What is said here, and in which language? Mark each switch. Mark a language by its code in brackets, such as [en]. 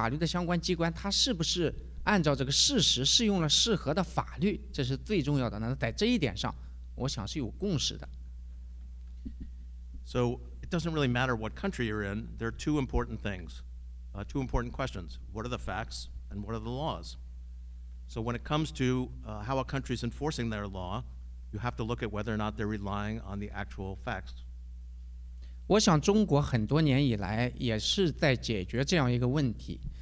[zh] 我想不管是哪一个国家谈到法律、谈到法治，无非就是两点是最重要的。那么第一点就是事实是什么？第二点就是法律是怎么规定的？那么这个对于执行法律的相关机关，它是不是？按照这个事实适用了适合的法律，这是最重要的。那在这一点上，我想是有共识的。So [en] it doesn't really matter what country you're in. There are two important things, two important questions. What are the facts and what are the laws? So when it comes to how a country is enforcing their law, you have to look at whether or not they're relying on the actual facts. [zh] 我想中国很多年以来也是在解决这样一个问题。